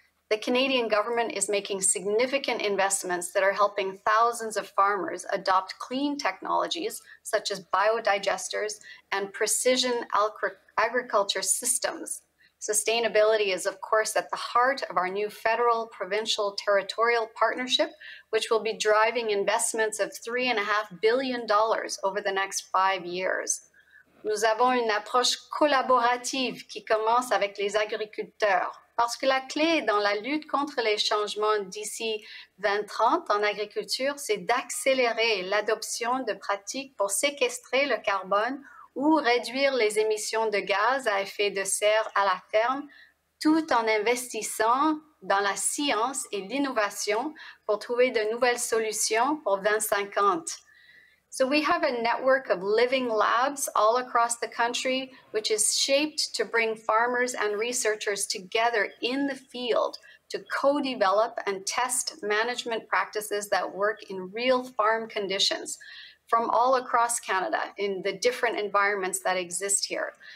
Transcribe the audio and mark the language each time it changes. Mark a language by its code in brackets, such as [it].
[en] The Canadian government is making significant investments that are helping thousands of farmers adopt clean technologies, such as biodigesters and precision agriculture systems. Sustainability is, of course, at the heart of our new federal, provincial, territorial partnership, which will be driving investments of $3.5 billion over the next 5 years. [fr] Nous avons une approche collaborative qui commence avec les agriculteurs. Parce que la clé dans la lutte contre les changements d'ici 2030 en agriculture, c'est d'accélérer l'adoption de pratiques pour séquestrer le carbone ou réduire les émissions de gaz à effet de serre à la ferme, tout en investissant dans la science et l'innovation pour trouver de nouvelles solutions pour 2050. [en] So we have a network of living labs all across the country, which is shaped to bring farmers and researchers together in the field to co-develop and test management practices that work in real farm conditions from all across Canada in the different environments that exist here.